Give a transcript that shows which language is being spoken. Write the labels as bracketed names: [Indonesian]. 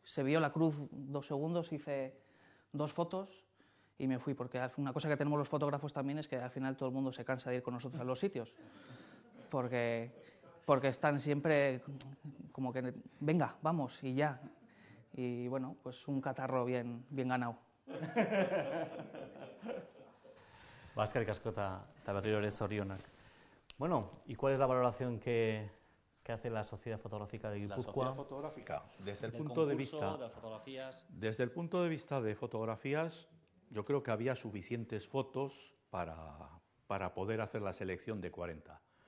[Spanish] Se vio la cruz 2 segundos, hice 2 fotos y me fui, porque una cosa que tenemos los fotógrafos también es que al final todo el mundo se cansa de ir con nosotros a los sitios, porque están siempre como que, venga, vamos, y ya. Y bueno, pues un catarro bien, bien ganado. [Basque] Va, eskerrik asko eta berriro ere zorionak. [Spanish] Bueno, ¿y cuál es la valoración que hace la Sociedad Fotográfica de Gipuzkoa? La Sociedad Fotográfica, desde el punto de vista de fotografías. Desde el punto de vista de fotografías, yo creo que había suficientes fotos para poder hacer la selección de 40.